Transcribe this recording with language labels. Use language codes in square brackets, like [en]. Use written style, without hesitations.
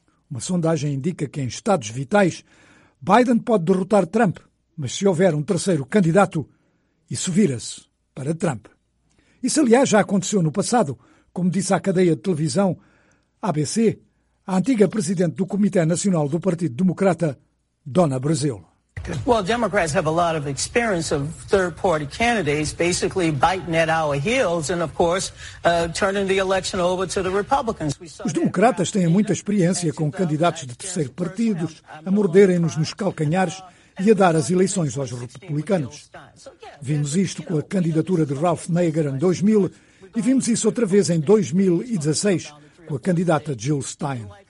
[pt] Uma sondagem indica que, em estados vitais, Biden pode derrotar Trump, mas se houver um terceiro candidato, isso vira-se para Trump. Isso, aliás, já aconteceu no passado. Como disse à cadeia de televisão ABC, a antiga presidente do Comitê Nacional do Partido Democrata, Donna Brazile. [en] Well, Democrats have a lot of experience of third-party candidates basically biting at our heels and, of course, turning the election over to the Republicans. [pt] Os democratas têm muita experiência com candidatos de terceiro partido a morderem-nos nos calcanhares e a dar as eleições aos republicanos. Vimos isto com a candidatura de Ralph Nader em 2000 e vimos isso outra vez em 2016 com a candidata Jill Stein.